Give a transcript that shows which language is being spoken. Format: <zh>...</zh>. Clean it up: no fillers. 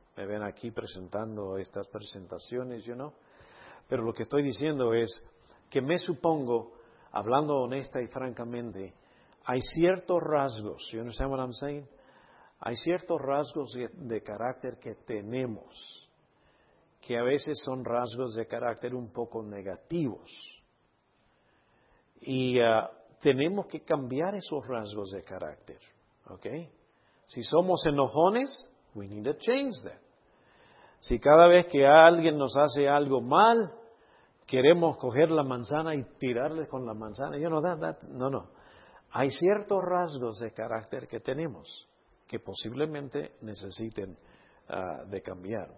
<es>Me ven aquí presentando estas presentaciones, ¿yo no? Pero lo que estoy diciendo es que me supongo, hablando honesta y francamente, hay ciertos rasgos,</es> <en>¿you understand what I'm saying?</en> <es>Hay ciertos rasgos de carácter que tenemos, que a veces son rasgos de carácter un poco negativos. Y tenemos que cambiar esos rasgos de carácter, ¿ok? Si somos enojones,</es> <en>we need to change that.</en> <es>Si cada vez que alguien nos hace algo mal, queremos coger la manzana y tirarle con la manzana, no. Hay ciertos rasgos de carácter que tenemos que posiblemente necesiten de cambiar.</es>